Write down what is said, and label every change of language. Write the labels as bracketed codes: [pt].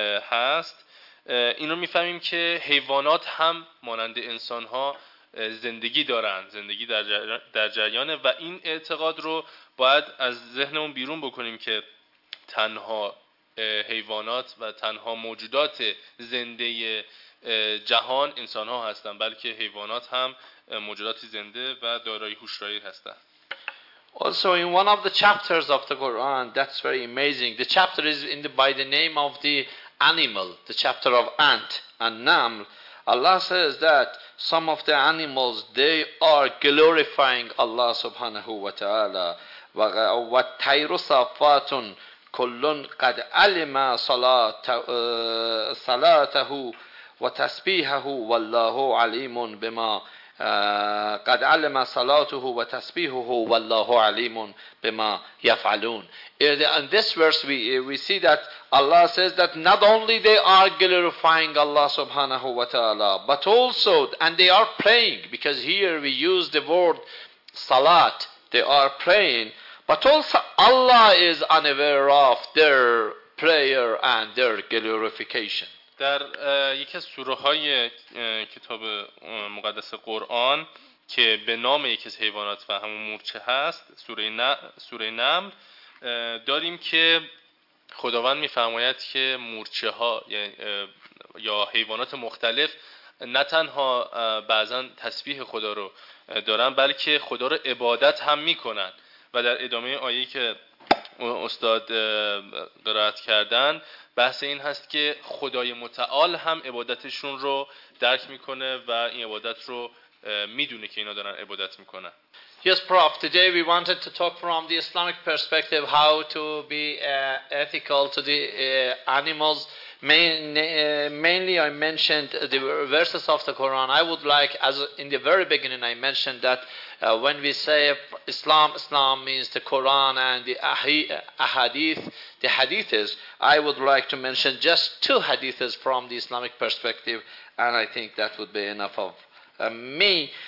[fa] هست، این رو می فهمیم که حیوانات هم مانند انسان ها زندگی دارن، زندگی در جریانه، و این اعتقاد رو باید از ذهنمون بیرون بکنیم که تنها حیوانات و تنها موجودات زنده جهان انسان ها هستن، بلکه حیوانات هم موجودات زنده و دارای هوشیاری هستن. [en] Also, in one of the chapters of the Quran, that's very amazing. The chapter is in the, by the name of the animal, the chapter of ant and naml. Allah says that some of the animals, they are glorifying Allah [ar] subhanahu wa ta'ala. وَالطَّيْرُ صَافَّاتٌ كُلٌّ قَدْ عَلِمَ صَلَاتَهُ وَتَسْبِيحَهُ وَاللَّهُ عَلِيمٌ بِمَا قَدْ عَلِمَ صَلَاتُهُ وَتَسْبِيحُهُ وَاللَّهُ عَلِيمٌ بِمَا يَفْعَلُونَ. [en] In this verse we see that Allah says that not only they are glorifying Allah [ar] subhanahu wa ta'ala, [en] but also, and they are praying, because here we use the word salat, they are praying, but also Allah is unaware of their prayer and their glorification. [fa] در یکی از سوره های کتاب مقدس قرآن که به نام یکی از حیوانات و همون مورچه هست، سوره نمل، داریم که خداوند می‌فرماید که مورچه ها یا حیوانات مختلف نه تنها بعضن تسبیح خدا رو دارن، بلکه خدا رو عبادت هم می‌کنن. و در ادامه آیه که استاد قرائت کردن، بحث این هست که خدای متعال هم عبادتشون رو درک میکنه و این عبادت رو میدونه که اینا دارن عبادت میکنن. [en] Yes, Prof. Today we wanted to talk from the Islamic perspective how to be ethical to the animals. Mainly I mentioned the verses of the Quran. I would like, as in the very beginning I mentioned that when we say Islam means the Quran and the Ahadith, the Hadiths, I would like to mention just two Hadiths from the Islamic perspective, and I think that would be enough of me.